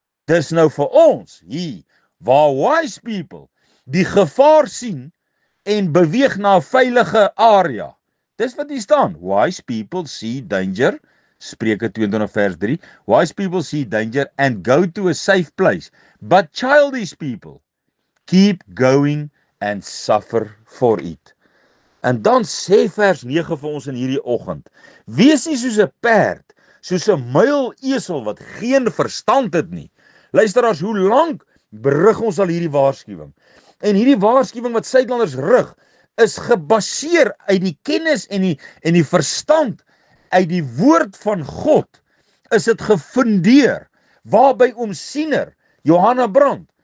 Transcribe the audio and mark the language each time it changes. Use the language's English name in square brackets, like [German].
[Afrikaans] Dis nou vir ons hier waar [English] wise people [Afrikaans] die gevaar sien en beweeg na 'n veilige area. Dis wat hier staan. [English] Wise people see danger, [Afrikaans] Spreuke 22 vers 3. [English] Wise people see danger and go to a safe place. But childish people keep going and suffer for it. [Afrikaans] En dan sê vers 9 vir ons in hierdie oggend. Wees nie soos 'n perd, soos 'n muilesel wat geen verstand het nie. Luisteraars, hoe lank berig ons al hierdie waarskuwing? En hierdie waarskuwing wat Suidlanders rig, is gebaseer uit die kennis en die verstand uit die woord van God. Is dit gefundeer waarby oom Siener, Johanna Brand,